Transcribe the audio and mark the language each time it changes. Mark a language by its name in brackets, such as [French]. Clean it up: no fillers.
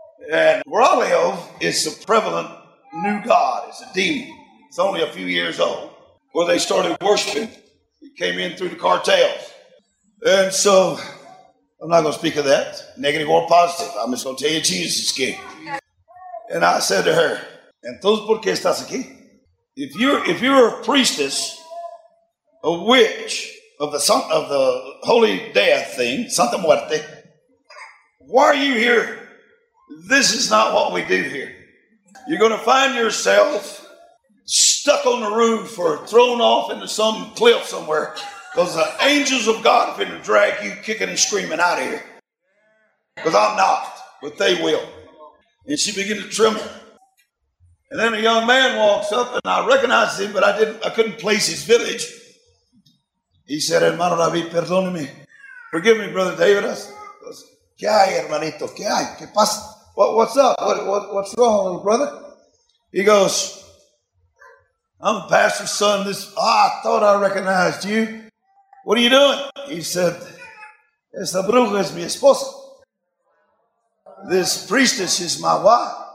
[English] And where I live is a prevalent new god. It's a demon. It's only a few years old. Where they started worshiping, it came in through the cartels. And so I'm not going to speak of that, negative or positive. I'm just going to tell you Jesus is king. And I said to her, [Spanish] ¿Entonces por qué estás aquí? [English] If you're a priestess, a witch, of the Holy Death thing, Santa Muerte, why are you here? This is not what we do here. You're going to find yourself stuck on the roof or thrown off into some cliff somewhere, because the angels of God are going to drag you kicking and screaming out of here. Because I'm not, but they will. And she began to tremble. And then a young man walks up, and I recognized him, but I couldn't place his village. He said, [Spanish] hermano David, perdóneme. [English] Forgive me, brother David. I said, [Spanish] ¿qué hay, hermanito? ¿Qué hay? ¿Qué pasa? [English] What's up? What's wrong, little brother? He goes, I'm a pastor's son. I thought I recognized you. What are you doing? He said, [Spanish] esta bruja es mi esposa. [English] This priestess is my wife.